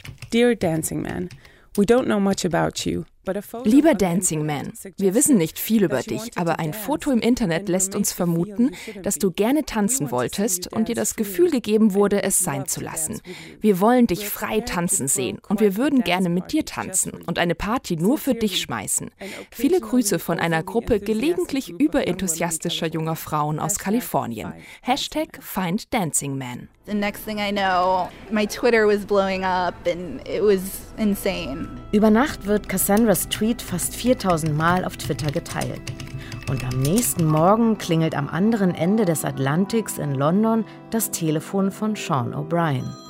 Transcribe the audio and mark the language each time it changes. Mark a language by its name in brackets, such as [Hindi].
[English] Dear Dancing Man, we don't know much about you. [German] Lieber Dancing Man, wir wissen nicht viel über dich, aber ein Foto im Internet lässt uns vermuten, dass du gerne tanzen wolltest und dir das Gefühl gegeben wurde, es sein zu lassen. Wir wollen dich frei tanzen sehen und wir würden gerne mit dir tanzen und eine Party nur für dich schmeißen. Viele Grüße von einer Gruppe gelegentlich überenthusiastischer junger Frauen aus Kalifornien. Hashtag Find Dancing Man. [English] The next thing I know, my Twitter was blowing up and it was insane. [German] Über Nacht wird Cassandras Tweet fast 4000 Mal auf Twitter geteilt. Und am nächsten Morgen klingelt am anderen Ende des Atlantiks in London das Telefon von Sean O'Brien.